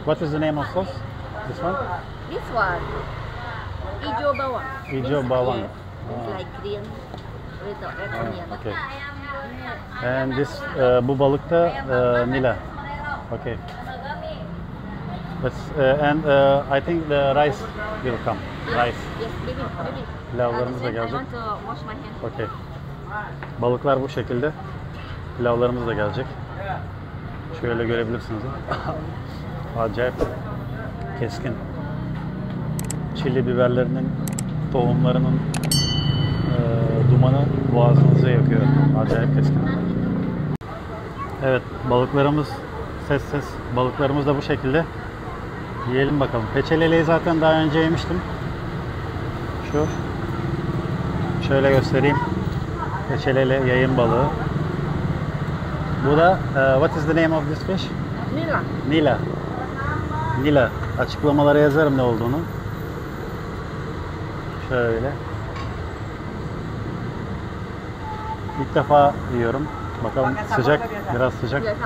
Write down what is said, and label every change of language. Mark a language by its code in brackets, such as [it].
[en] What is the name of sauce? This one? This one. Ijo bawang. [id] Ijo bawang. [en] It's like green with red onion. Okay. And this, [tr] bu balık da nila. [en] Okay. Let's, and I think the rice will come. Rice. Yes, maybe, maybe. [tr] Pilavlarımız da gelecek. Okay. Balıklar bu şekilde. Pilavlarımız da gelecek. Şöyle görebilirsiniz. Acayip keskin. Çili biberlerinin tohumlarının dumanı boğazınızı yakıyor. Acayip keskin. Evet, balıklarımız ses ses. Balıklarımız da bu şekilde. Yiyelim bakalım. Peçeleleyi zaten daha önce yemiştim. Şu. Şöyle göstereyim. Peçelele yayın balığı. Bu da [en] what is the name of this fish? [id] Nila. Nila. Nila. [tr] Açıklamalara yazarım ne olduğunu. Şöyle. İlk defa yiyorum. Bakalım sıcak. Biraz sıcak.